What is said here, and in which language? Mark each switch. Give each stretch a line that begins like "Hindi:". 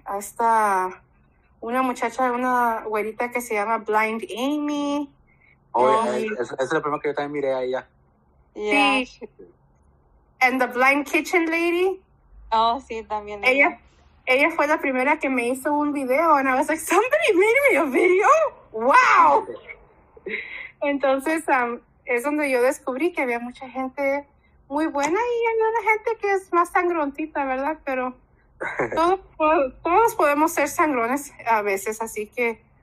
Spanish: Hasta una muchacha, una güerita que se llama Blind Amy. Oye, esa es la primera que yo también miré a ella.
English: Sí. Yeah. And the Blind Kitchen Lady.
Spanish: Oh, sí, también. Ella fue la primera que me hizo un video.
English: And I was like, somebody made me a video? Wow.
Spanish: Entonces, es donde yo descubrí que había mucha gente muy buena y hay una gente que es más sangrontita, ¿verdad? Pero... Todos podemos ser sangrones a veces, así que